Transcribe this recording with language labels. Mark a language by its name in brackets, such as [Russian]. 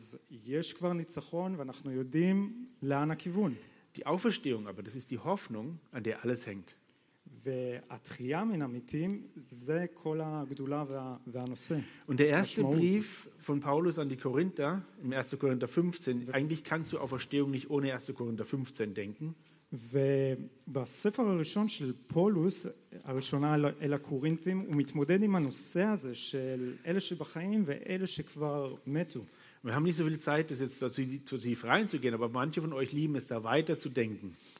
[German] Die Auferstehung aber, das ist die Hoffnung, an der alles hängt. Und der erste Brief von Paulus an die Korinther, im 1. Korinther 15, eigentlich kannst du Auferstehung nicht ohne 1. Korinther 15 denken. [Hebrew] ובספר הראשון של פולוס, הראשונה אל הקורינטים, הוא מתמודד עם הנושא הזה של אלה שבחיים ואלה שכבר מתו. [German] Wir haben nicht so viel Zeit, das jetzt dazu zu tief reinzugehen, aber manche von euch lieben es, da weiter zu denken.